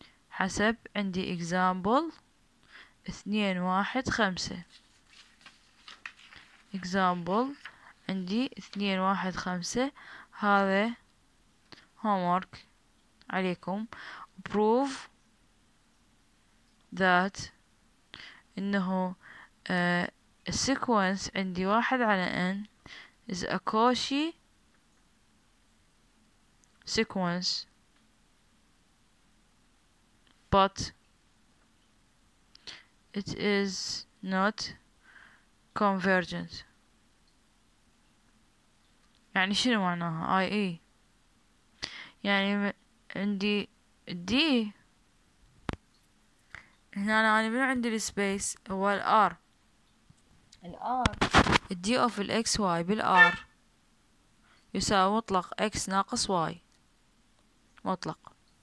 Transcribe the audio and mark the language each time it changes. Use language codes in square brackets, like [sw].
[ar] حسب عندي example 2 1 5، example عندي 2 1 5 هذا homework عليكم. [en] prove that [ar] انه [en] sequence [ar] عندي 1 على [en] n is a Cauchy sequence but it is not convergent. [ar] يعني شنو معناها IE؟ يعني عندي D هنا، أنا يعني من عندي الـ space هو الـ R، الـ R الـ D of الـ XY بالـ R يساوي مطلق X ناقص Y مطلق.